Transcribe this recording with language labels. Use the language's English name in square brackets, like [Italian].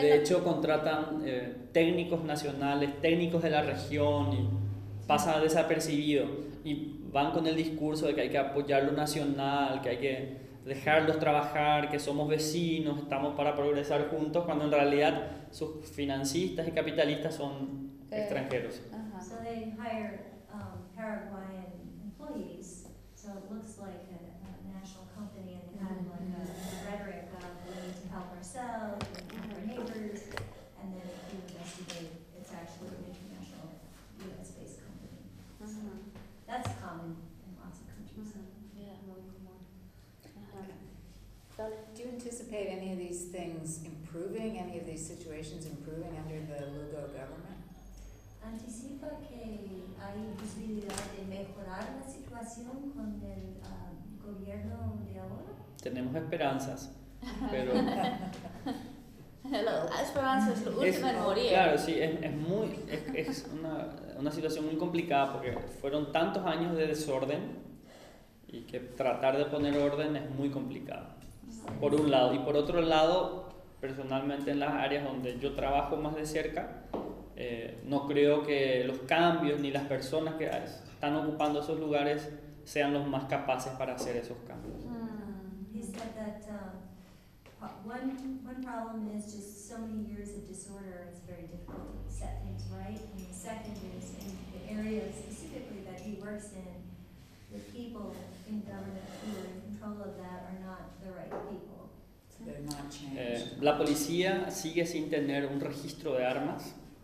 [Spanish] de hecho, contratan técnicos nacionales, técnicos de la región, y pasa desapercibido. Y van con el discurso de que hay que apoyar lo nacional, que hay que dejarlos trabajar, que somos vecinos, estamos para progresar juntos, cuando en realidad sus financistas y capitalistas son extranjeros. [English] So they hire Paraguayan employees, so it looks like a national company and kind of like a rhetoric of we need to help ourselves and help our neighbors, and then if you investigate, it's actually an international US-based company. So that's common in lots of countries. Do you anticipate any of these things improving, any of these situations improving under the Lugo government? [Spanish] Anticipa que hay posibilidad de mejorar la situación con el gobierno de ahora? Tenemos esperanzas, pero... La esperanza es lo último en morir. Claro, sí, es una situación muy complicada porque fueron tantos años de desorden y que tratar de poner orden es muy complicado. Por un lado, y por otro lado, personalmente en las áreas donde yo trabajo más de cerca, no creo que los cambios ni las personas que están ocupando esos lugares sean los más capaces para hacer esos cambios. [English] He said that one problem is just so many years of disorder, it's very difficult to set things right. And the second is in the area specifically that he works in, the people in government who are in control of that are not the right people. [Spanish] La policía sigue sin tener un registro de armas.